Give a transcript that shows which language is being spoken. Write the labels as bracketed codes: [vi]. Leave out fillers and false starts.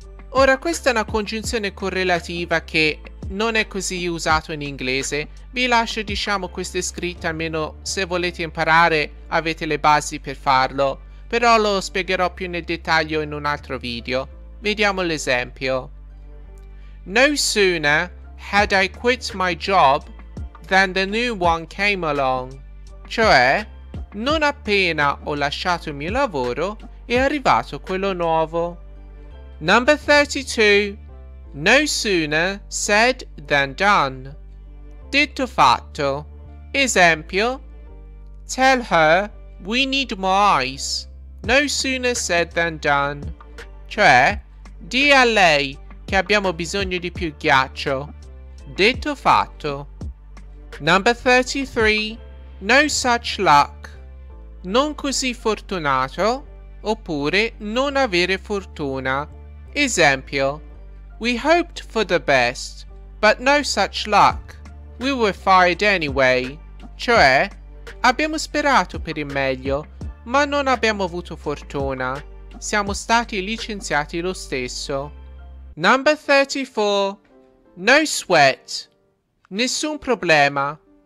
[it] Ora, questa è una congiunzione correlativa che non è così usato in inglese. Vi lascio, diciamo, queste scritte, almeno se volete imparare, avete le basi per farlo. però lo spiegherò più nel dettaglio in un altro video. Vediamo l'esempio. [en] No sooner had I quit my job than the new one came along. [it] Cioè, non appena ho lasciato il mio lavoro, è arrivato quello nuovo. [en] Number 32. No sooner said than done. [it] Detto fatto. Esempio. [en] Tell her we need more ice. No sooner said than done. [it] Cioè, di a lei che abbiamo bisogno di più ghiaccio. Detto fatto. [en] Number 33. No such luck. [it] Non così fortunato. Oppure non avere fortuna. Esempio. [en] We hoped for the best, but no such luck. We were fired anyway. [it] Cioè, abbiamo sperato per il meglio, ma non abbiamo avuto fortuna. Siamo stati licenziati lo stesso. [en] Number 34. No sweat. [it] Nessun problema.